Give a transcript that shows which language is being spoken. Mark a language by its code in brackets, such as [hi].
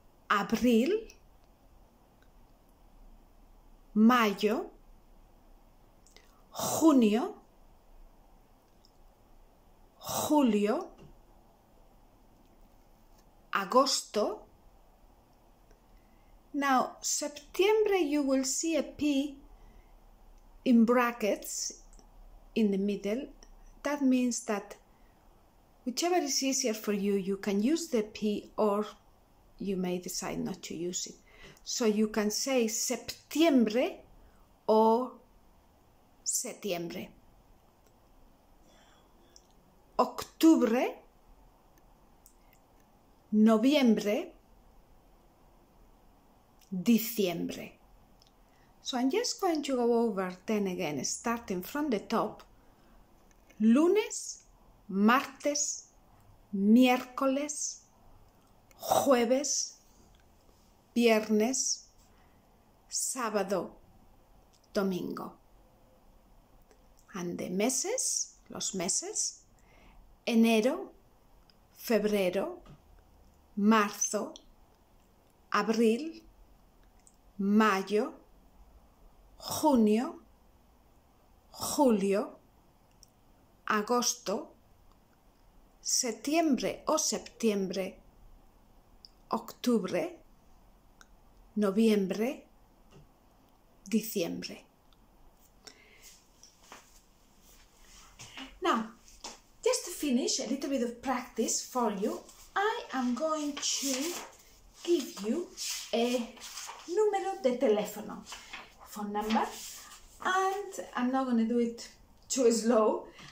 [es] abril, mayo, junio, julio, agosto. [en] Now, September, you will see a P in brackets in the middle. That means that whichever is easier for you, you can use the P, or you may decide not to use it. So you can say septiembre or septiembre. [es] Octubre, noviembre, diciembre. [en] So I'm just going to go over then again, starting from the top. [es] Lunes, martes, miércoles, jueves, viernes, sábado, domingo. And the meses, los meses, enero, febrero, marzo, abril, mayo, junio, julio, agosto, septiembre o septiembre, octubre, noviembre, diciembre. [en] Now, just to finish, a little bit of practice for you, I am going to give you a [es] numero de telefono, [en] phone number, and I'm not going to do it too slow.